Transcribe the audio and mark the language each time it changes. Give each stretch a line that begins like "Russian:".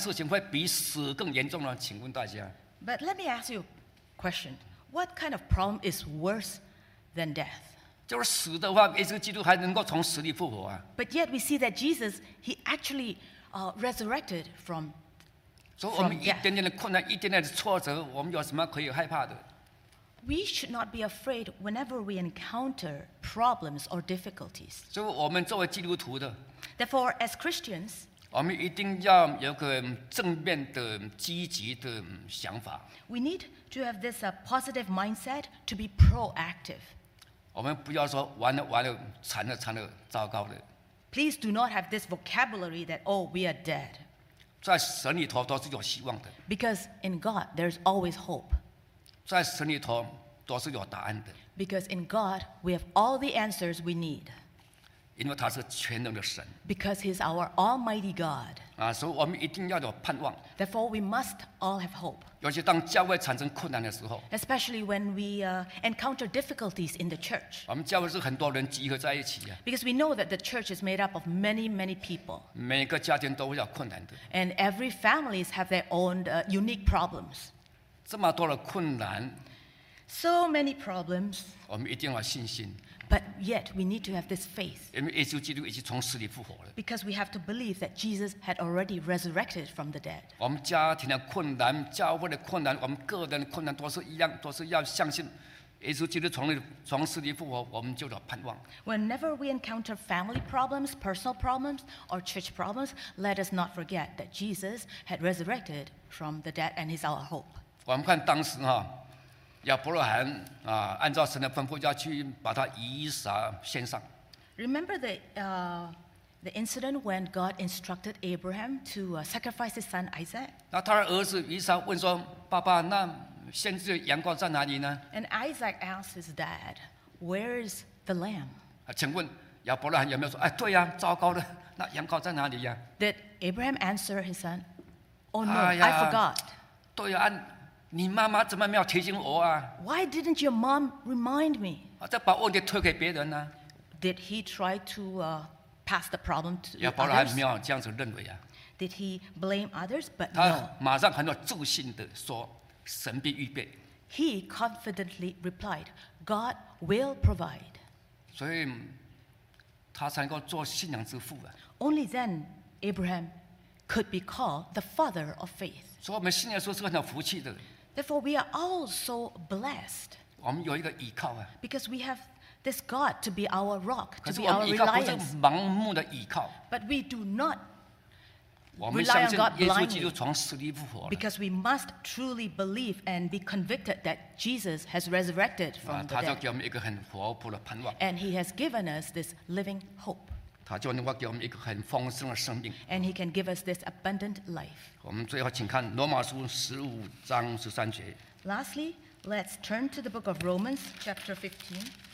Chinese: 但是我们一切困难，有哪样事情会比死更严重呢？请问大家。
English: But let me ask you a question. What kind of problem is worse than death?
Chinese: 就是死的话，耶稣基督还能够从死里复活啊。
English: But yet we see that Jesus, he actually resurrected from death.
Chinese: 所以我们一点点的困难，一点点的挫折，我们有什么可以害怕的？
English: We should not be afraid whenever we encounter problems or difficulties.
Chinese: 所以我们作为基督徒的，
English: Therefore, as Christians,
Chinese: 我们一定要有个正面的、积极的想法。
English: We need to have this positive mindset to be proactive.
Chinese: 我们不要说完了完了，惨了惨了，糟糕了。
English: Please do not have this vocabulary that, oh, we are dead.
Chinese: 在神里头都是有希望的。
English: Because in God, there's always hope.
Chinese: 在神里头都是有答案的。
English: Because in God, we have all the answers we need.
Chinese: 因为他是全能的神。
English: Because he's our Almighty God.
Chinese: 啊，所以我们一定要有盼望。
English: Therefore, we must all have hope.
Chinese: 尤其当教会产生困难的时候。
English: Especially when we encounter difficulties in the church.
Chinese: 我们教会是很多人集合在一起呀。
English: Because we know that the church is made up of many, many people.
Chinese: 每个家庭都会有困难的。
English: And every families have their own unique problems.
Chinese: 这么多的困难。
English: So many problems.
Chinese: 我们一定要信心。
English: But yet, we need to have this faith.
Chinese: 因为耶稣基督已经从死里复活了。
English: Because we have to believe that Jesus had already resurrected from the dead.
Chinese: 我们家庭的困难、教会的困难、我们个人的困难都是一样，都是要相信耶稣基督从死里复活，我们就有盼望。
English: Whenever we encounter family problems, personal problems, or church problems, let us not forget that Jesus had resurrected from the dead and is our hope.
Chinese: 我们看当时哈。亚伯罗罕啊，按照神的吩咐，要去把他以撒献上。
English: Remember the incident when God instructed Abraham to sacrifice his son Isaac.
Chinese: 那他的儿子以撒问说：“爸爸，那献祭的羊羔在哪里呢
English: ？”And Isaac asked his dad, "Where is the lamb?"
Chinese: 啊，请问亚伯罗罕有没有说：“哎，对呀，糟糕的，那羊羔在哪里呀
English: ？”Did Abraham answer his son, "Oh no, I forgot."
Chinese: 对呀。你妈妈怎么没有提醒我啊
English: ？Why didn't your mom remind me？
Chinese: 啊，再把问题推给别人呢、啊、
English: ？Did he try to pass the problem to others？
Chinese: 亚伯拉罕没有这样子认为啊。
English: Did he blame others？ But no。
Chinese: 他马上很有自信的说：“神必预备。
English: ”He confidently replied, "God will provide."
Chinese: 所以，他才能够做信仰之父啊。
English: Only then Abraham could be called the father of faith。
Chinese: 所以我们信耶稣是很有福气的。
English: Therefore, we are all so blessed.
Chinese: 我们有一个依靠啊。
English: Because we have this God to be our rock, to be our reliance.
Chinese: 可是我们依靠不是盲目的依靠。
English: But we do not rely on God blindly.
Chinese: 我们相信耶稣基督从死里复活了。
English: Because we must truly believe and be convicted that Jesus has resurrected from the dead.
Chinese: 他就给我们一个很活泼的盼望。
English: And he has given us this living hope.
Chinese: 他就能够给我们一个很丰盛的生命。
English: And he can give us this abundant life.
Chinese: 我们最后请看罗马书十五章十三节。
English: Lastly, let's turn to the book of Romans, chapter 15.